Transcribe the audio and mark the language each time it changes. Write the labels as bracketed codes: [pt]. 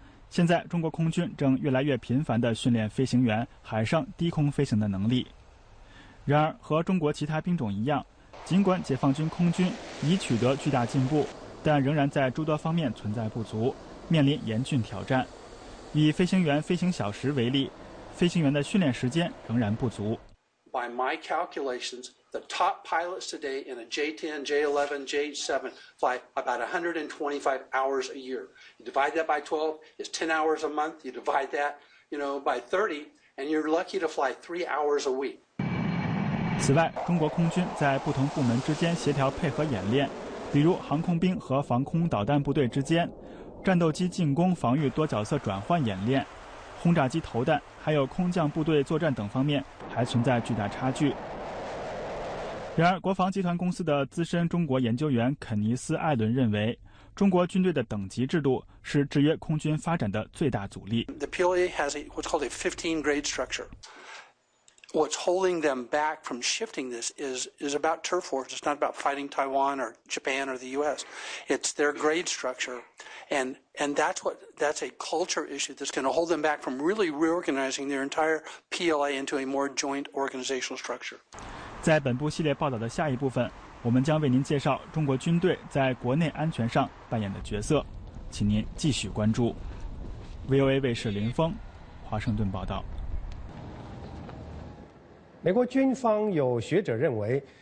[zh] 现在中国空军正越来越频繁地训练飞行员海上低空飞行的能力。然而和中国其他兵种一样，尽管解放军空军已取得巨大进步，但仍然在诸多方面存在不足，面临严峻挑战。以飞行员飞行小时为例，飞行员的训练时间仍然不足。 [en] By my calculations, the top pilots today in a J-10, J-11, J-7 fly about 125 hours a year. You divide that by 12, it's 10 hours a month. You divide that, you know, by 30, and you're lucky to fly 3 hours a week. [zh] 此外，中国空军在不同部门之间协调配合演练，比如航空兵和防空导弹部队之间，战斗机进攻防御多角色转换演练，轰炸机投弹，还有空降部队作战等方面还存在巨大差距。然而，国防集团公司的资深中国研究员肯尼斯·艾伦认为，中国军队的等级制度是制约空军发展的最大阻力。 [en] The PLA has what's called a 15-grade structure. What's holding them back from shifting this is about turf wars. It's not about fighting Taiwan or Japan or the U.S. It's their grade structure, and that's a culture issue that's going to hold them back from really reorganizing their entire PLA into a more joint organizational structure. [zh] 在本部系列报道的下一部分，我们将为您介绍中国军队在国内安全上扮演的角色，请您继续关注。 VOA 卫视林峰，华盛顿报道。美国军方有学者认为，